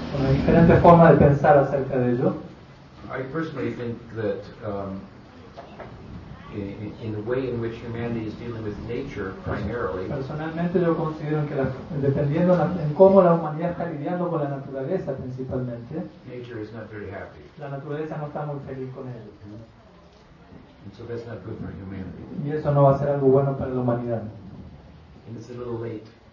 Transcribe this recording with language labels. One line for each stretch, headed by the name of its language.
Spanish: Bueno, hay diferentes formas de pensar acerca de ello.
English: I personally think that in the way in which humanity is dealing with nature primarily.
Spanish: Personalmente yo considero que dependiendo en cómo la humanidad está lidiando con la naturaleza principalmente.
English: Nature is not very happy.
Spanish: La naturaleza no está muy feliz con él.
English: And so that's not good for humanity.
Spanish: Y eso no va a ser algo bueno para la humanidad.
English: And it's a little late.